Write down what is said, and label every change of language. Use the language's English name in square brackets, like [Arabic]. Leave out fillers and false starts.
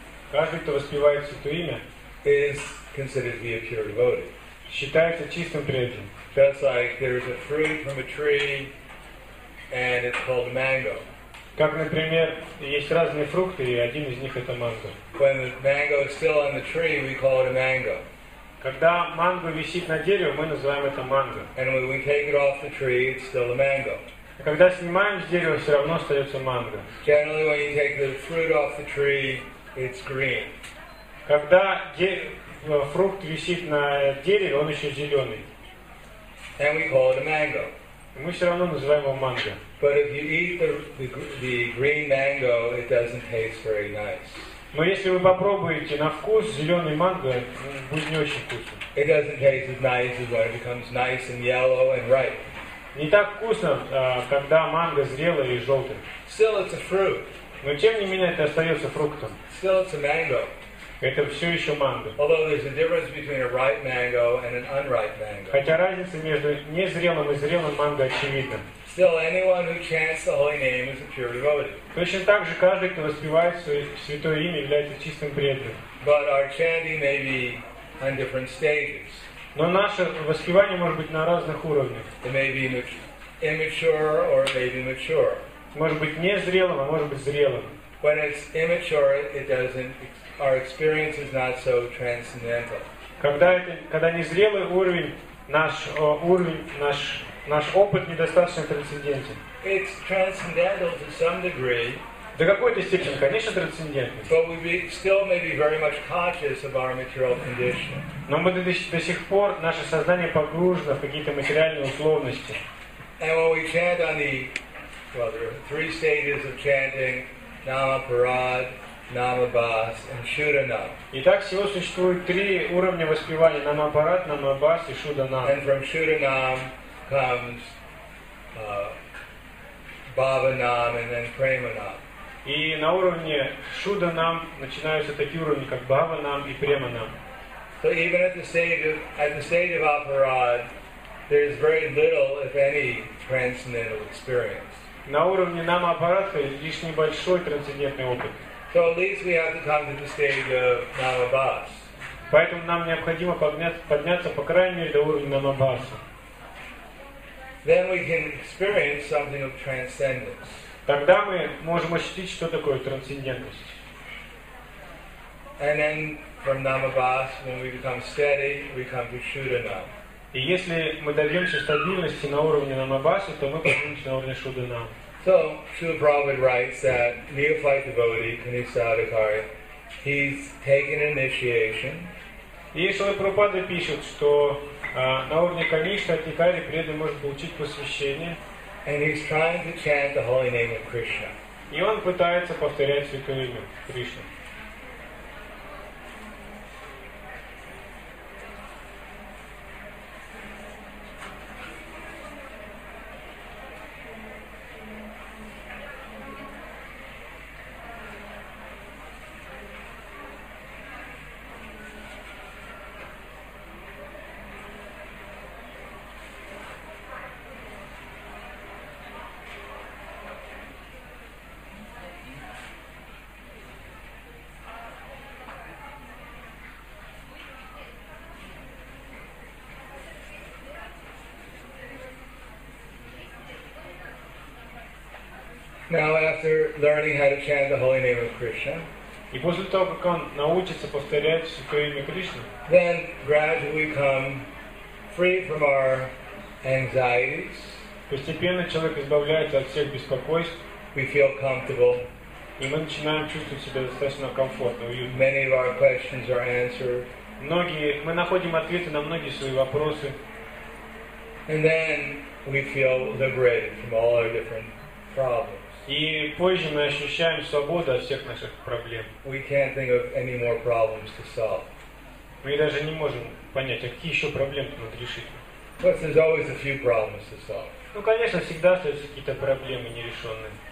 [Russian] каждый, кто воспевает святое имя, [English] is considered to be a pure devotee. [Russian] Считается чистым преданным. [English] Just like there is a fruit from a tree, and it's called mango. [Russian] Как, например, есть разные фрукты, и один из них это манго. [English] When the mango is still on the tree, we call it a mango. [Russian] Когда манго висит на дереве, мы называем это манго. [English] And when we take it off the tree, it's still a mango. [Russian] А когда снимаем с дерева, все равно остается манго. [English] Generally, when you take the fruit off the tree, it's green. [Russian] Когда фрукт висит на дереве, он еще зеленый. [English] And we call it a mango. [Russian] Мы все равно называем его манго. [English] But if you eat the green mango, it doesn't taste very nice. [Russian] Но если вы попробуете на вкус зеленый манго, будет не очень вкусно. [English] It doesn't taste as nice as when it becomes nice and yellow and ripe. [Russian] Не так вкусно, когда манго зрелое и желтое. [English] Still, it's a fruit. [Russian] Но тем не менее это остается фруктом. [English] Still, it's a mango. [Russian] Это все еще манго. [English] Although there's a difference between a ripe mango and an unripe mango. [Russian] Хотя разница между незрелым и зрелым манго очевидна. [English] Still, anyone who chants the holy name is a pure devotee. [Russian] Точно так же каждый, кто воспевает святое имя, является чистым преданным. [English] But our chanting may be on different stages. [Russian] Но наше воспевание может быть на разных уровнях. [English] It may be immature or it may be mature. [Russian] Может быть незрелым, а может быть зрелым. [English] When it's immature, our experience is not so transcendental. [Russian] Когда незрелый уровень, наш опыт недостаточно трансцендентен. [English] It's transcendental to some degree. [Russian] До какой-то степени, конечно, трансцендентен. [English] But we still may be very much conscious of our material condition. [Russian] Но мы до сих пор наше сознание погружено в какие-то материальные условности. [English] And when we chant on the, well, there are three stages of chanting: Nama Parad, Nama Bas, and Shudanam. [Russian] Итак, всего существует три уровня воспевания: Нама Парад, Нама Бас и Шуданам. [English] And from Shudanam comes Bhavanam and then Premanam. [Russian] И на уровне Шуданам начинаются такие уровни, как Бхаванам и Преманам. [English] So even at the stage of Aparad, there is very little, if any, transcendental experience. [Russian] На уровне Нама Парад лишь небольшой трансцендентный опыт. [English] So at least we have to come to the stage of Нама Бас. [Russian] Поэтому нам необходимо подняться по крайней мере до уровня Нама Баса. [English] Then we can experience something of transcendence. [Russian] Тогда мы можем ощутить, что такое трансцендентность. [English] And then from Нама Бас, when we become steady, we come to Шуданам. [Russian] И если мы добьемся стабильности на уровне Намабаса, то мы поднимемся на уровне Шуданам. [English] So, Srila Prabhupada writes that neophyte devotee, Kanishtha Adhikari, he's taken initiation. [Russian] И Шрила Прабхупада пишет, что на уровне Kanishtha Adhikari преданный может получить посвящение. [English] And he's trying to chant the holy name of Krishna. [Russian] И он пытается повторять святое имя Кришна. [English] Now, after learning how to chant the holy name of Krishna, [Russian] и после того, как он научится повторять святое имя Кришна, [English] then gradually come free from our anxieties. [Russian] Постепенно человек избавляется от всех беспокойств. [English] We feel comfortable. [Russian] И мы начинаем чувствовать себя достаточно комфортно. [English] Many of our questions are answered. [Russian] Мы находим ответы на многие свои вопросы. [English] And then we feel liberated from all our different problems. [Russian] И позже мы ощущаем свободу от всех наших проблем. [English] We can't think of any more problems to solve. [Russian] Мы даже не можем понять, а какие еще проблемы тут надо решить. [English] But there's always a few problems to solve. [Russian] Конечно, всегда остаются какие-то проблемы нерешенные.